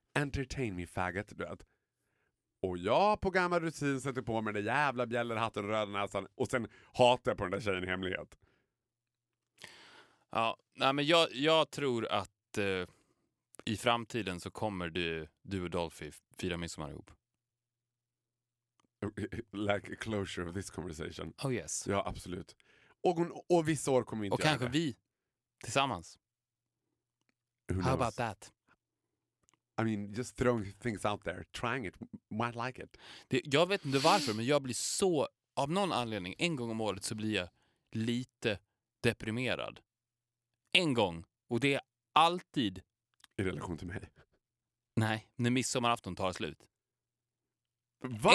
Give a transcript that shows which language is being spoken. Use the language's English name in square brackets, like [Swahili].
[English] Entertain me, faggot. [Swedish] Du vet. Och jag på gammal rutin sätter på mig den jävla bjällerhatten och röda näsan. Och sen hatar jag på den där tjejen i hemlighet. Ja, nej, men jag tror att i framtiden så kommer du och Dolphy fira midsommar ihop. [English] Like a closure of this conversation. Oh yes. [Swedish] Ja, absolut. Och vissa år kommer vi inte och kanske det. Vi tillsammans. [English] Who How knows? About that? I mean, just throwing things out there, trying it, might like it. [Swedish] Jag vet inte varför, men jag blir så, av någon anledning, en gång om året så blir jag lite deprimerad. En gång, och det är alltid... I relation till mig? Nej, när midsommarafton tar slut. Var?